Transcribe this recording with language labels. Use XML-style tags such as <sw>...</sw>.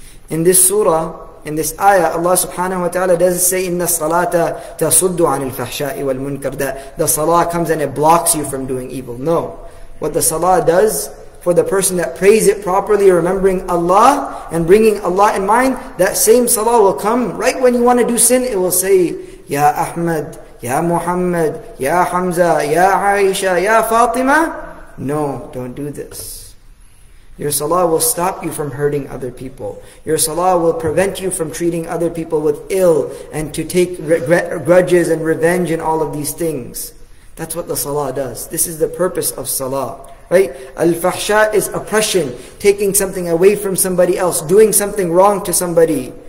<en>In this surah, in this ayah, Allah subhanahu wa ta'ala doesn't say</en> <ar>إِنَّ الصَّلَاةَ تَصُدُّ عَنِ الْفَحْشَاءِ وَالْمُنْكَرِ,</ar> <en>that the salah comes and it blocks you from doing evil. No. What the salah does for the person that prays it properly, remembering Allah and bringing Allah in mind, that same salah will come right when you want to do sin. It will say,</en> <ar>يَا أَحْمَد, يَا مُحَمَّد, يَا حَمْزَة, يَا عَيْشَة, يَا فَاطِمَة.</ar> <en>No, don't do this. Your salah will stop you from hurting other people. Your salah will prevent you from treating other people with ill and to take grudges and revenge and all of these things. That's what the salah does. This is the purpose of salah. Right? Al-fahsha is oppression, taking something away from somebody else, doing something wrong to somebody.</en>